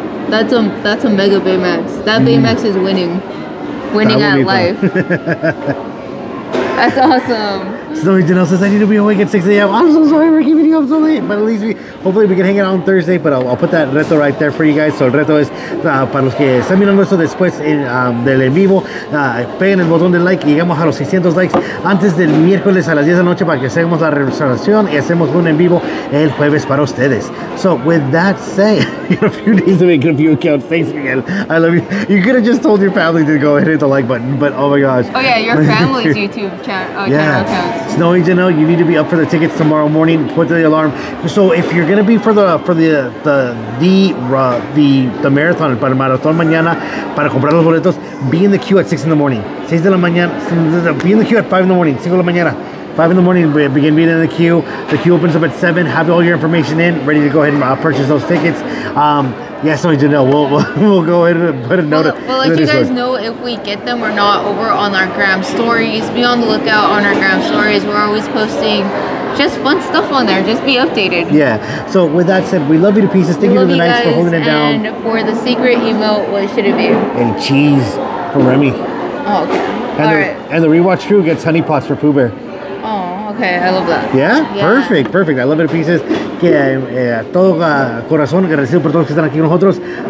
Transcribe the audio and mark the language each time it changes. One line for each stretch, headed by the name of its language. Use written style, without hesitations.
English: That's a mega Baymax. That Baymax is winning. Winning at life. That's awesome. So Janelle says, I need to be awake at 6 a.m. I'm so sorry we're keeping you up so late, but at least we, hopefully we can hang it out on Thursday, but I'll put that reto right there for you guys.
Spanish: So el reto es para los que están mirando esto después del en vivo, peguen el botón de like y llegamos a los 600 likes antes del miércoles a las 10 de la noche para que hagamos la reservación y hacemos un en vivo el jueves para ustedes.
English: So with that said, a few days to make a few account thanks Miguel. I love you. You could have just told your family to go hit the like button, but oh my gosh. Oh yeah, your family's YouTube channel. Snowy Janelle, you need to be up for the tickets tomorrow morning. Put the alarm. So if you're gonna be for the marathon,
Spanish: para maratón mañana, para comprar los boletos,
English: be in the queue at 6 a.m. 6 a.m. Be in the queue at 5 a.m. 5 a.m. 5 a.m. Begin being in the queue. The queue opens up at 7. Have all your information in, ready to go ahead and purchase those tickets. Yeah, so Janelle, we'll go ahead and put a note. We'll let you guys know if we get them or not over on our gram stories. Be on the lookout on our gram stories. We're always posting just fun stuff on there. Just be updated. Yeah. So with that said, we love you to pieces. Thank you for the nights, for holding it down. And for the secret email, what should it be? And cheese for Remy. Oh, okay. And the rewatch crew gets honey pots for Pooh Bear. Okay, I love that. Yeah? Perfect. I love it to pieces.
Spanish: Todo corazón, agradecido por todos que están aquí con nosotros.